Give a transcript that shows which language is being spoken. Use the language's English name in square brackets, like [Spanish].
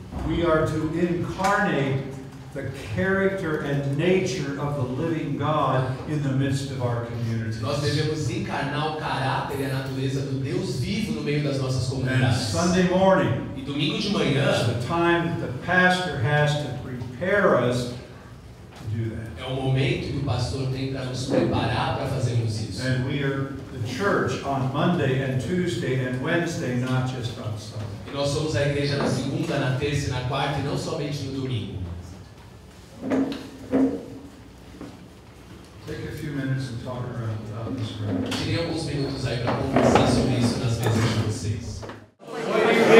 [English] We are to incarnate the character and nature of the living God in the midst of our communities. [Portuguese] Nós devemos encarnar o caráter e a natureza do Deus vivo no meio das nossas comunidades. [English] And Sunday morning. [Portuguese] E domingo de manhã. [English] Is the time that the pastor has to prepare us to do that. [Portuguese] É o momento que o pastor tem para nos preparar para fazermos isso. [English] And we are the church on Monday and Tuesday and Wednesday, not just on Sunday. [Portuguese] E nós somos a igreja na segunda, na terça e na quarta, e não somente no domingo. [English] Take a few minutes and talk around about this. [Portuguese] Tirei alguns minutos aí para conversar sobre isso nas mesas de vocês.